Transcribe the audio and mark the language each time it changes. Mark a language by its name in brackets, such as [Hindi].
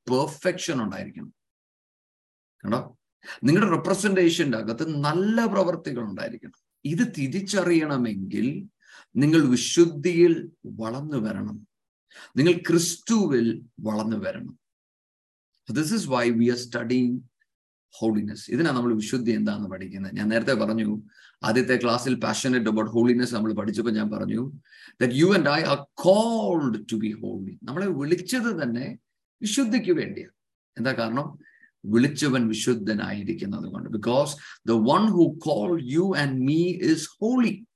[Malayalam] Perfection ഉണ്ടായിരിക്കണം. കണ്ടോ, നിങ്ങളുടെ റെപ്രസെന്റേഷൻ്റെ അകത്ത് നല്ല പ്രവൃത്തികൾ ഉണ്ടായിരിക്കണം. ഇത് തിരിച്ചറിയണമെങ്കിൽ നിങ്ങൾ വിശുദ്ധിയിൽ വളർന്നു വരണം, നിങ്ങൾ ക്രിസ്തുവിൽ വളർന്നു വരണം. [English] This is why we are studying holiness. [Malayalam] ഇതിനാ നമ്മൾ വിശുദ്ധി എന്താന്ന് പഠിക്കുന്നത്. ഞാൻ നേരത്തെ പറഞ്ഞു, ആദ്യത്തെ ക്ലാസ്സിൽ [English] passionate about holiness [Malayalam] നമ്മൾ പഠിച്ചപ്പോൾ ഞാൻ പറഞ്ഞു, [English] That you and I are called to be holy. [Malayalam] നമ്മളെ വിളിച്ചത് തന്നെ വിശുദ്ധിക്ക് വേണ്ടിയാണ്. എന്താ കാരണം? വിളിച്ചവൻ വിശുദ്ധനായിരിക്കുന്നത് കൊണ്ട്. [English] Because the one who call you and me is holy.